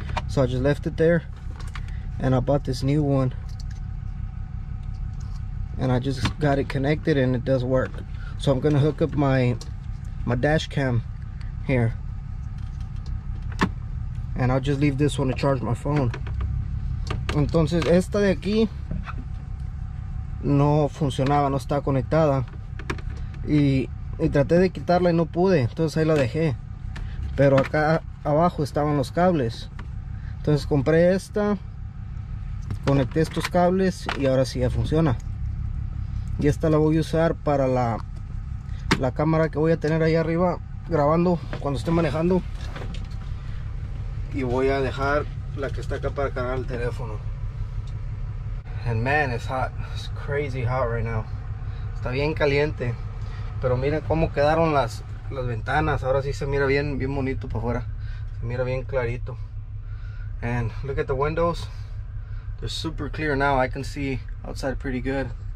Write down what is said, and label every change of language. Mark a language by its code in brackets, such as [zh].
[en] So I just left it there, and I bought this new one, and I just got it connected, and it does work. So I'm gonna hook up my dash cam here, and I'll just leave this one to charge my phone. [es] Entonces esta de aquí no funcionaba, no está conectada, y traté de quitarla y no pude. Entonces ahí la dejé, pero acá abajo estaban los cables. Entonces compré esta, conecté estos cables y ahora sí ya funciona. Y esta la voy a usar para la cámara que voy a tener ahí arriba grabando cuando esté manejando. Y voy a dejar la que está acá para cargar el teléfono. [en] And man, it's hot. It's crazy hot right now. [es] Está bien caliente. Pero miren cómo quedaron las ventanas. Ahora sí se mira bien, bien bonito para afuera. Se mira bien clarito. [en] And look at the windows. They're super clear now. I can see outside pretty good.